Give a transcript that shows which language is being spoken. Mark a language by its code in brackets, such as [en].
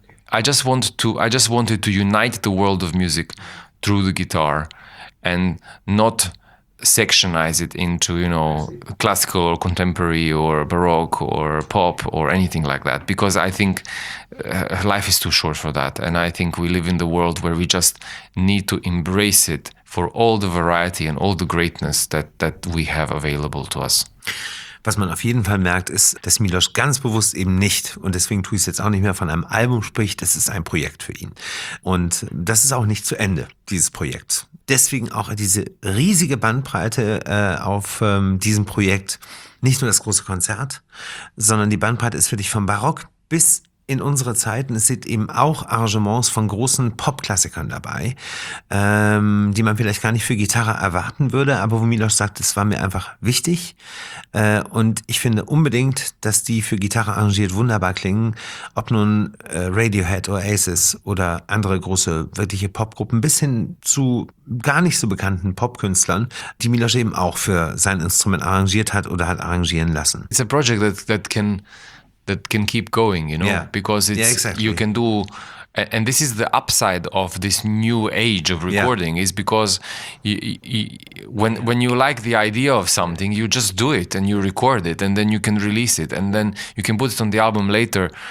[en] I just wanted to unite the world of music through the guitar and not sectionize it into, you know, classical or contemporary or baroque or pop or anything like that, because I think life is too short for that. And I think we live in the world where we just need to embrace it for all the variety and all the greatness that we have available to us. [de] Was man auf jeden Fall merkt, ist, dass Milosz ganz bewusst eben nicht, und deswegen tue ich es jetzt auch nicht mehr, von einem Album spricht. Das ist ein Projekt für ihn. Und das ist auch nicht zu Ende, dieses Projekt. Deswegen auch diese riesige Bandbreite auf diesem Projekt. Nicht nur das große Konzert, sondern die Bandbreite ist für dich vom Barock bis in unsere Zeiten. Es sind eben auch Arrangements von großen Pop-Klassikern dabei, die man vielleicht gar nicht für Gitarre erwarten würde, aber wo Milosz sagt, es war mir einfach wichtig. Und ich finde unbedingt, dass die für Gitarre arrangiert wunderbar klingen, ob nun Radiohead, Oasis oder andere große wirkliche Popgruppen, bis hin zu gar nicht so bekannten Popkünstlern, die Milosz eben auch für sein Instrument arrangiert hat oder hat arrangieren lassen. [en] It's a project that can keep going, you know, yeah. Because it's, yeah, exactly. You can do, and this is the upside of this new age of recording, yeah. Is because when you like the idea of something, you just do it and you record it and then you can release it and then you can put it on the album later.